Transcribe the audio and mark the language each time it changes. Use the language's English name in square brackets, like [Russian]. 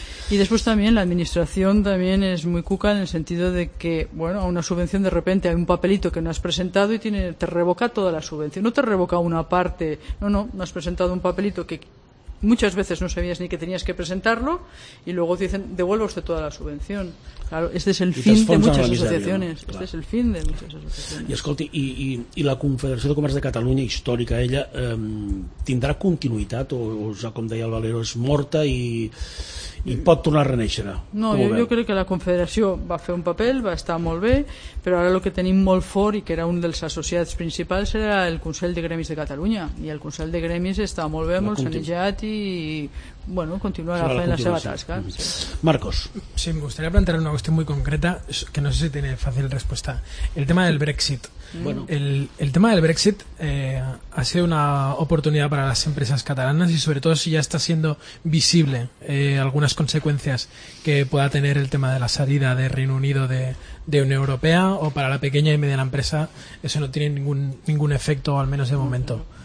[Spanish] Y después también la administración también es muy cuca en el sentido de que, bueno, a una subvención de repente hay un papelito que no has presentado y te revoca toda la subvención. No te revoca una parte, no has presentado un papelito que muchas veces no sabías ni que tenías que presentarlo y luego te dicen, devuelve usted toda la subvención. Claro, este es el fin de muchas asociaciones. Este es el fin de muchas asociaciones. [Catalan] I escolti, i la Confederació de Comerç de Catalunya, històrica, ella tindrà continuïtat o ja, com deia el Valero, és morta i pot tornar a renéixer? No, jo crec que la Confederació va fer un paper, va estar molt bé, però ara el que tenim molt fort i que era un dels associats principals era el Consell de Gremis de Catalunya, i el Consell de Gremis està molt bé, molt sanejat i bueno, continuarà fent la seva tasca. Marcos. [Spanish] Sí, me gustaría plantear una cuestión muy concreta que no sé si tiene fácil respuesta. El tema del Brexit. Bueno. El tema del Brexit ha sido una oportunidad para las empresas catalanas y sobre todo si ya está siendo visible algunas consecuencias que pueda tener el tema de la salida de Reino Unido de Unión Europea, o para la pequeña y mediana empresa eso no tiene ningún efecto, al menos de momento.